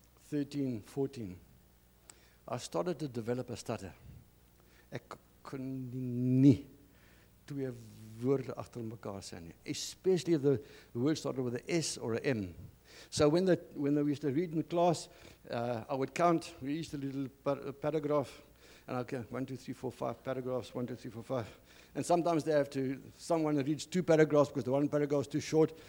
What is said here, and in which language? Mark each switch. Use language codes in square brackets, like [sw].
[en] When I was about 13, 14, I started to develop a stutter. [af] Ek kon nie twee woorde achter mekaar sê nie. [en] Especially if the word started with an S or an M. So when we used to read in the class, I would count. We used a little paragraph, and I'd go 1, 2, 3, 4, 5 paragraphs, 1, 2, 3, 4, 5. And sometimes they have to, someone reads two paragraphs because the one paragraph is too short.